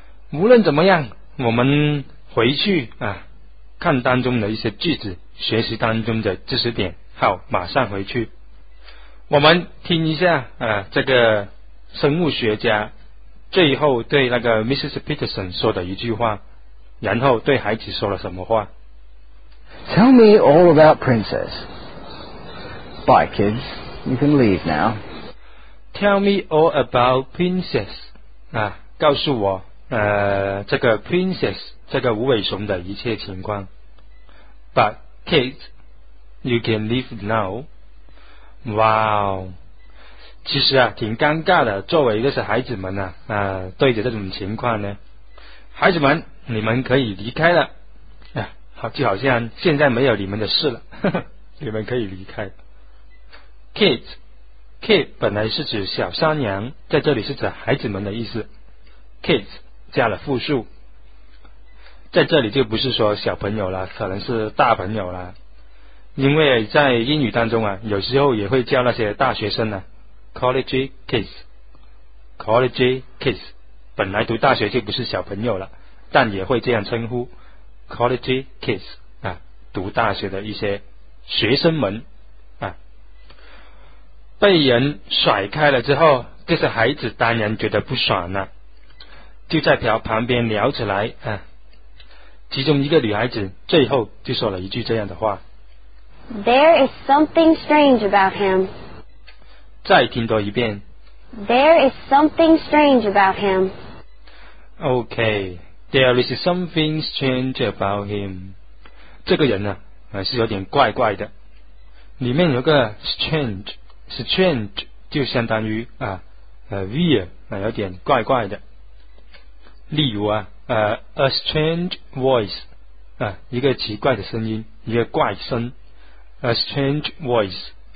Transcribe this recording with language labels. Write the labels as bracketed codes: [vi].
[zh] 无论怎么样，我们回去啊，看当中的一些句子，学习当中的知识点。好，马上回去，我们听一下啊，这个生物学家最后对那个 Mrs. Peterson 说的一句话，然后对孩子说了什么话。 [en] Tell me all about Princess. Bye kids, you can leave now. Tell me all about Princess. [zh] 啊，告诉我这个 Princess 这个无尾熊的一切情况。 [en] But kids, you can leave now. Wow. [zh] 其实啊，挺尴尬的，作为这些孩子们啊，对着这种情况呢，孩子们你们可以离开了，好，就好像现在没有你们的事了，你们可以离开。 Kids，kid 本来是指小山羊，在这里是指孩子们的意思。 Kids 加了复数，在这里就不是说小朋友了，可能是大朋友了，因为在英语当中啊，有时候也会叫那些大学生呢、啊、， [en] college kids，college kids， [zh] 本来读大学就不是小朋友了。但也会这样称呼 [en] college kids [zh] 啊，读大学的一些学生们啊。被人甩开了之后，这些孩子当然觉得不爽了，就在旁边聊起来啊。其中一个女孩子最后就说了一句这样的话 [en] ：“There is something strange about him。” [zh] 再听多一遍 [en] ：“There is something strange about him。” OK。 There is something strange about him. [zh] 这个人呢、是有点怪怪的。里面有个 strange 就相当于weird, 有点怪怪的。例如啊 [en] a strange voice, [zh] 一个奇怪的声音，一个怪声 ,a strange voice。